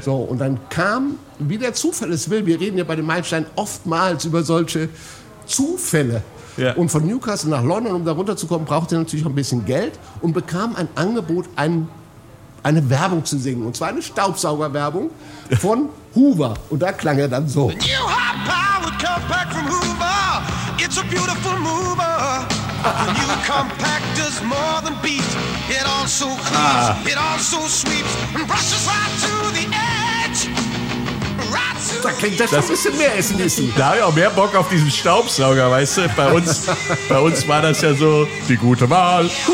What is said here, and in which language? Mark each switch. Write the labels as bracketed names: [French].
[German] So, und dann kam, wie der Zufall es will, wir reden ja bei den Meilensteinen oftmals über solche Zufälle. Ja. Und von Newcastle nach London, um da runterzukommen, brauchte er natürlich auch ein bisschen Geld und bekam ein Angebot, eine Werbung zu singen. Und zwar eine Staubsaugerwerbung von Hoover. Und da klang er dann so. [English] The new hot power come back from Hoover. It's a beautiful mover. The new compact does more than beat. It also cleans, it also sweeps and brushes right to the edge. [German] Da klingt das ein bisschen mehr AC/DC. Da habe ich auch mehr Bock auf diesen Staubsauger, weißt du? Bei uns war das ja so, die gute Wahl.